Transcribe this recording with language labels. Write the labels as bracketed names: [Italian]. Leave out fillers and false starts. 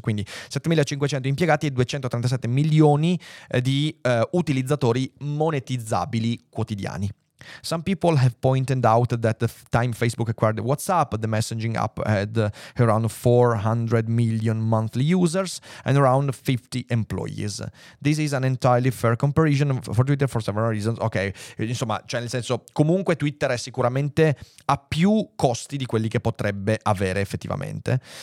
[Italian] Quindi 7,500 impiegati e 237 milioni di utilizzatori monetizzabili quotidiani. [English] Some people have pointed out that the time Facebook acquired WhatsApp, the messaging app had around 400 million monthly users and around 50 employees. This is an entirely fair comparison for Twitter for several reasons. [Italian] Ok, insomma, cioè nel senso, comunque Twitter è sicuramente a più costi di quelli che potrebbe avere effettivamente.